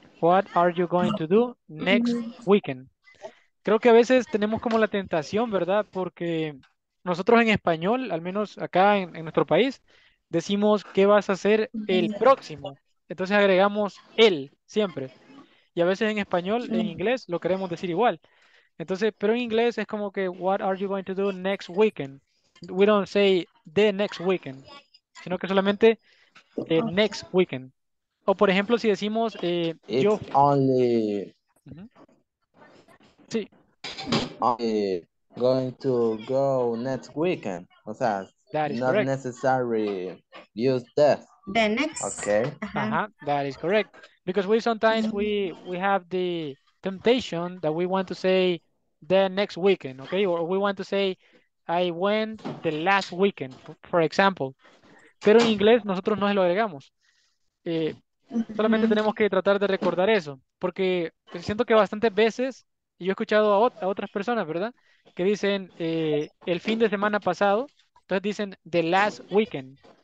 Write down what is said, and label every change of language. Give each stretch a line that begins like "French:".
English: What are you going to do next weekend?
Spanish: Creo que a veces tenemos como la tentación, ¿verdad? Porque nosotros en español, al menos acá en nuestro país, decimos qué vas a hacer el próximo. Entonces agregamos el siempre. Y a veces en español, en inglés, lo queremos decir igual. Entonces, pero en inglés es como que,
English: what are you going to do next weekend? We don't say the next weekend,
Spanish: sino que solamente
English: next weekend.
Spanish: O por ejemplo, si decimos
English: It's
Spanish: yo.
English: Only...
Spanish: Sí.
English: Only going to go next weekend.
Spanish: O sea,
English: that is not correct. Necessary use that. The next. Okay. Uh-huh. That is correct. Because we sometimes we have the temptation that we want to say the next weekend, okay? Or we want to say I went the last weekend, for example.
Spanish: Pero en inglés nosotros no se lo agregamos. Solamente tenemos que tratar de recordar eso, porque siento que bastantes veces, y yo he escuchado a otras personas, ¿verdad? Que dicen el fin de semana pasado, entonces dicen
English: the last weekend.